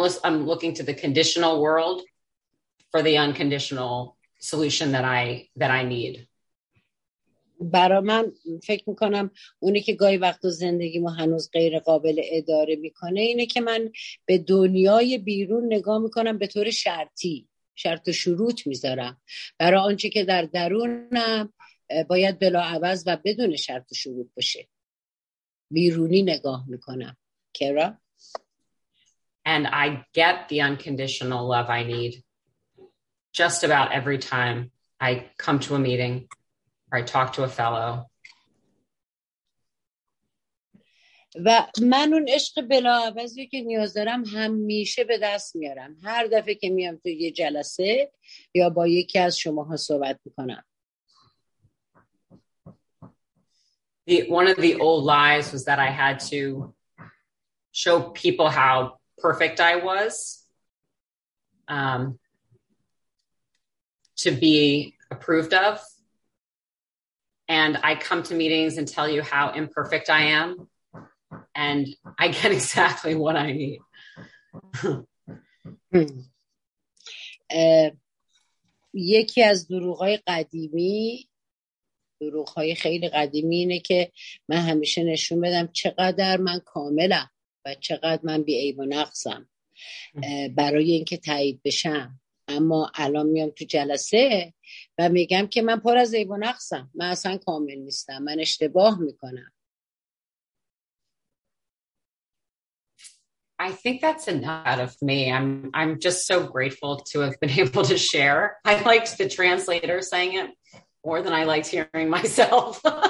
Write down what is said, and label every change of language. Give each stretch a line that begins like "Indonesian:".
English: Unless I'm looking to the conditional world for the unconditional solution that I need.
Persian: برای من فکر میکنم اونی که گاهی وقت و زندگیمو هنوز غیر قابل اداره میکنه اینه که من به دنیای بیرون نگاه میکنم به طور شرطی، شرط و شروط میذارم برای آنچه که در درونم باید بلاعوض و بدون شرط و شروط باشه. بیرونی نگاه میکنم. کرا؟
English: And I get the unconditional love I need just about every time I come to a meeting. I talk to a fellow.
Persian: و من اون عشق بلاعوضی که نیاز دارم همیشه به دست میارم. هر دفعه که میام تو یه جلسه یا با یکی از شماها صحبت میکنم.
English: One of the old lies was that I had to show people how perfect I was to be approved of. And I come to meetings and tell you how imperfect I am, and I get exactly what I need.
Persian: یکی از دروغ‌های قدیمی، دروغ‌های خیلی قدیمی اینه که من همیشه نشون بدم چقدر من کاملم و چقدر من بی‌عیب و نقصم برای اینکه تایید بشم. اما الان میام تو جلسه و میگم که من پر از عیب و نقصم، من اصلا کامل نیستم، من اشتباه میکنم.
English: I think that's enough out of me. I'm just so grateful to have been able to share. I liked the translator saying it more than I liked hearing myself.